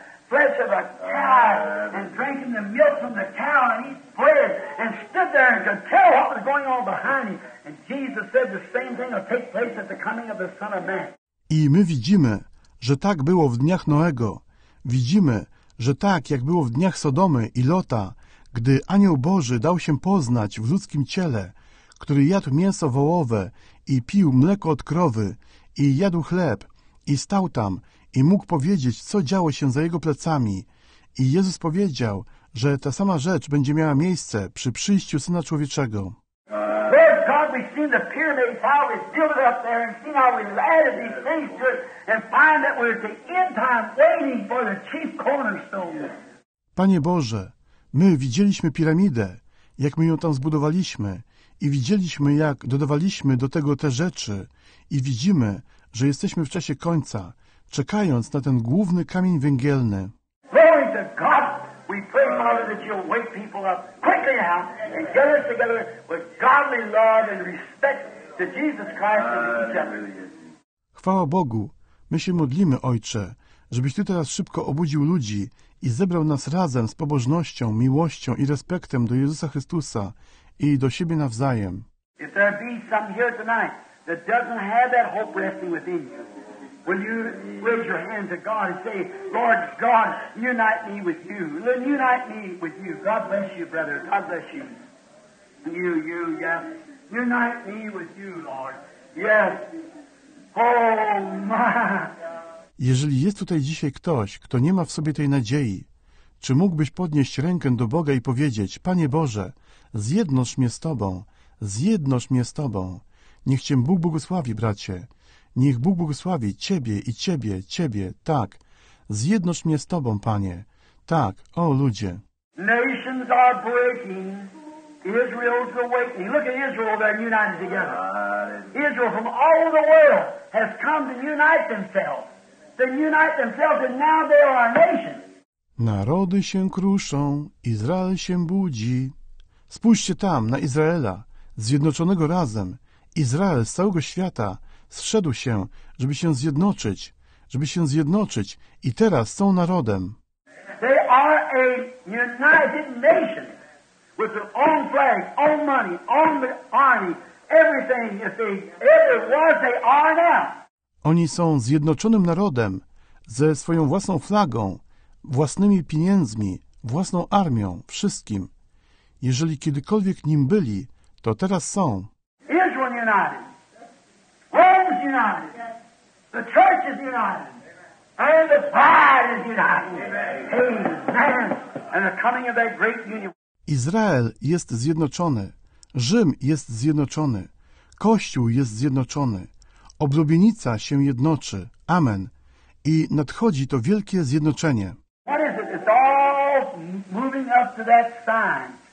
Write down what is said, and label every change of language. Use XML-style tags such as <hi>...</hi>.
<en>Flesh of a cow and drinking the milk from the cow and eat bread and stood there and could tell what was going on behind him. And Jesus said the same thing will take place at the coming of the Son of Man.</en> <pl>I my widzimy, że tak było w dniach Noego. Widzimy, że tak, jak było w dniach Sodomy i Lota, gdy anioł Boży dał się poznać w ludzkim ciele, który jadł mięso wołowe i pił mleko od krowy i jadł chleb i stał tam, i mógł powiedzieć, co działo się za jego plecami. I Jezus powiedział, że ta sama rzecz będzie miała miejsce przy przyjściu Syna Człowieczego.</pl> <en>Lord God, we've seen the pyramids, how we build up there, and seen how we've added these things to it, and find that we're at the end time waiting for the chief cornerstone.</en> <pl>Panie Boże, my widzieliśmy piramidę, jak my ją tam zbudowaliśmy, i widzieliśmy, jak dodawaliśmy do tego te rzeczy, i widzimy, że jesteśmy w czasie końca, czekając na ten główny kamień węgielny.</pl> <en>Glory to God! We pray, Father, that you'll wake people up quickly now and get us together with godly love and respect to Jesus Christ and each other.</en> <pl>Chwała Bogu! My się modlimy, Ojcze, żebyś Ty teraz szybko obudził ludzi i zebrał nas razem z pobożnością, miłością i respektem do Jezusa Chrystusa i do siebie nawzajem.</pl> <en>If there be some here tonight that doesn't have that hope resting within you, will you raise your hand to God and say, Lord God, unite me with you. Unite me with you. God bless you, brother. God bless you. You, yes. Unite me with you, Lord. Yes. Oh, my.</en> <pl>Jeżeli jest tutaj dzisiaj ktoś, kto nie ma w sobie tej nadziei, czy mógłbyś podnieść rękę do Boga i powiedzieć, Panie Boże, zjednoż mnie z Tobą, zjednoż mnie z Tobą. Niech Cię Bóg błogosławi, bracie. Niech Bóg błogosławi Ciebie i Ciebie, Ciebie, tak. Zjednoż mnie z Tobą, Panie. Tak, o ludzie.</pl> <en>Nations are breaking. Israel's awakening. Look at Israel, they're united together. Israel from all the world has come to unite themselves. They unite themselves and now they are a nation.</en> <pl>Narody się kruszą, Izrael się budzi. Spójrzcie tam na Izraela, zjednoczonego razem. Izrael z całego świata zszedł się, żeby się zjednoczyć, żeby się zjednoczyć i teraz są narodem.</pl> <en>They are a united nation with their own flag, own money, own army, everything if they ever was, they are now.</en> <pl>Oni są zjednoczonym narodem ze swoją własną flagą, własnymi pieniędzmi, własną armią, wszystkim. Jeżeli kiedykolwiek nim byli, to teraz są.</pl> <en>Israel united. Rome's united. The church is united. And the bride is united. Amen. And the coming of that great union.</en> <pl>Izrael jest zjednoczony. Rzym jest zjednoczony. Kościół jest zjednoczony. Oblubienica się jednoczy. Amen. I nadchodzi to wielkie zjednoczenie.</pl> <en>What is it? It's all moving up to that sign.</en>